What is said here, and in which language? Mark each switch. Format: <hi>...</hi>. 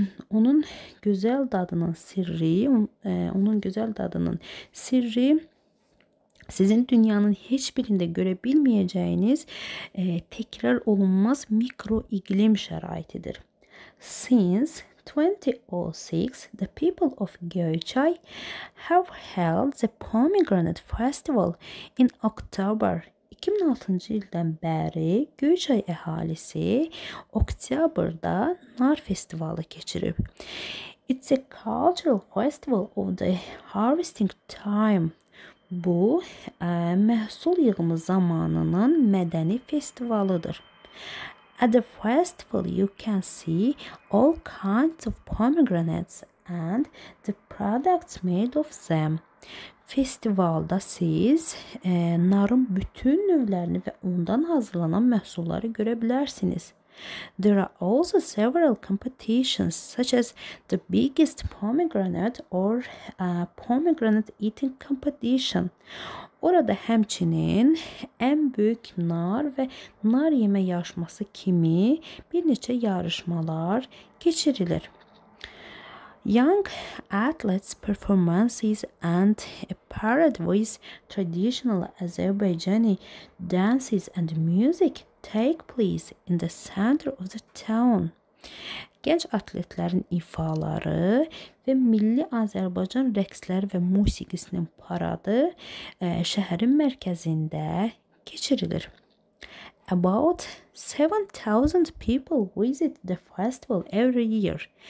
<az>Onun gözəl dadının sirri, sizin dünyanın heç birində görə bilməyəcəyiniz təkrar olunmaz mikro iqlim şəraitidir.</az> <en>Since 2006, the people of Göyçay have held the Pomegranate Festival in October.</en> <az>2006-cı ildən bəri Göyçay əhalisi oktyabrda nar festivalı keçirib.</az> <en>It's a cultural festival of the harvesting time.</en> <az>Bu, məhsul yığımı zamanının mədəni festivalıdır.</az> <en>At the festival you can see all kinds of pomegranates and the products made of them.</en> <az>Festivalda siz narın bütün növlərini və ondan hazırlanan məhsulları görə bilərsiniz.</az> <en>There are also several competitions such as the biggest pomegranate or pomegranate eating competition.</en> <az>Orada həmçinin ən böyük nar və nar yemə yarışması kimi bir neçə yarışmalar keçirilir.</az> <en>Young athletes' performances and a parade with traditional Azerbaijani dances and music take place in the center of the town.</en> <az>Gənc atletlərin ifaları və milli Azərbaycan rəqsləri və musiqisinin paradı şəhərin mərkəzində keçirilir.</az> <en>About 7,000 people visit the festival every year.</en>